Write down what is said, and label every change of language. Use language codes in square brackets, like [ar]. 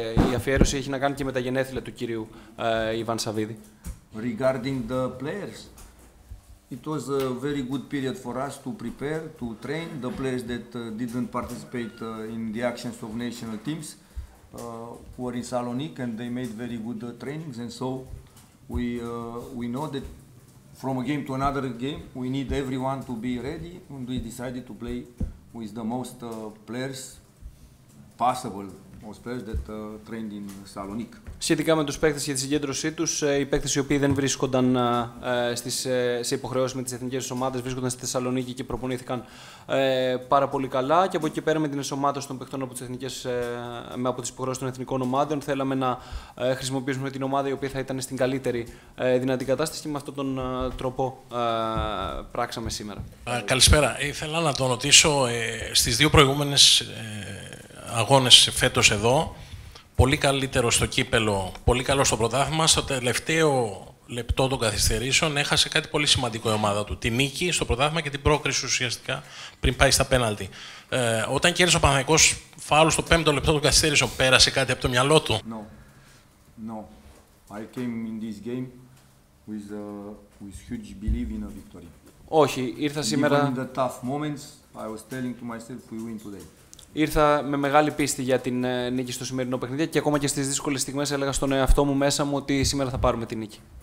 [el] Η αφιέρωση έχει να κάνει και με τα γενέθλια του κύριου Ιβάν Σαββίδη. [en] Regarding the players, it was a very good period for us to prepare, to train the players that didn't participate in the actions of national teams, were in Salonique and they made very good trainings and so we know that from a game to another game, we need everyone to be ready, and we decided to play with the most players possible, most players that trained in Salonique. [el] Σχετικά με τους παίκτες για τη συγκέντρωσή τους, οι παίκτες οι οποίοι δεν βρίσκονταν σε υποχρεώσεις με τις εθνικές ομάδες βρίσκονταν στη Θεσσαλονίκη και προπονήθηκαν πάρα πολύ καλά. Και από εκεί πέρα, με την ενσωμάτωση των παίκτων από τις υποχρεώσεις των εθνικών ομάδων, θέλαμε να χρησιμοποιήσουμε την ομάδα η οποία θα ήταν στην καλύτερη δυνατή κατάσταση και με αυτόν τον τρόπο πράξαμε σήμερα. Καλησπέρα. Ήθελα να το ρωτήσω στις δύο προηγούμενες αγώνες φέτος εδώ. Πολύ καλύτερο στο κύπελο, πολύ καλό στο πρωτάθλημα. Στο τελευταίο λεπτό των καθυστερήσεων έχασε κάτι πολύ σημαντικό η ομάδα του. Τη νίκη στο πρωτάθλημα και την πρόκριση ουσιαστικά πριν πάει στα πέναλτι. Όταν κέρδισε ο Παναθηναϊκός φάουλ στο πέμπτο λεπτό των καθυστερήσεων, πέρασε κάτι από το μυαλό του? [en] No. I came in this game with huge belief in a victory. [el] Όχι, ήρθα σήμερα. [en] Even in the tough moments, I was telling to myself we win today. [el] Ήρθα με μεγάλη πίστη για την νίκη στο σημερινό παιχνίδι και ακόμα και στις δύσκολες στιγμές έλεγα στον εαυτό μου μέσα μου ότι σήμερα θα πάρουμε την νίκη.